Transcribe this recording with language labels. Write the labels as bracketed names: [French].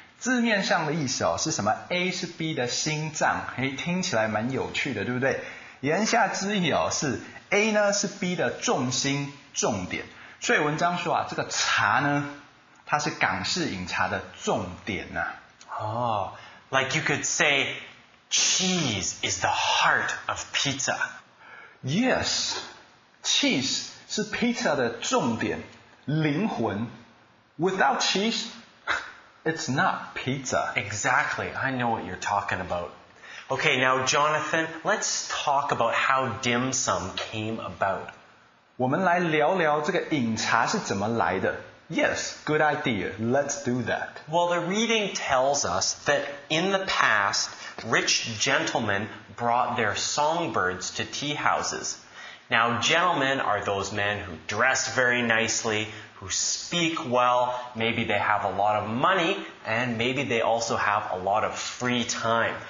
[Chinese] 字面上的意思哦，是什么 ？A 是 B 的心脏。嘿，听起来蛮有趣的，对不对？言下之意哦，是A 呢是 B 的重心重点，所以文章说啊，这个茶呢，它是港式饮茶的重点啊。 [English] Oh, like you could say, cheese is the heart of pizza. [Chinese] Yes, cheese 是 pizza 的重点，灵魂。 [English] Without cheese, it's not pizza. Exactly, I know what you're talking about. Okay, now Jonathan, let's talk about how dim sum came about. [Chinese] 我们来聊聊这个饮茶是怎么来的。 [English] Yes, good idea. Let's do that. Well, the reading tells us that in the past, rich gentlemen brought their songbirds to tea houses. Now, gentlemen are those men who dress very nicely, who speak well, maybe they have a lot of money, and maybe they also have a lot of free time.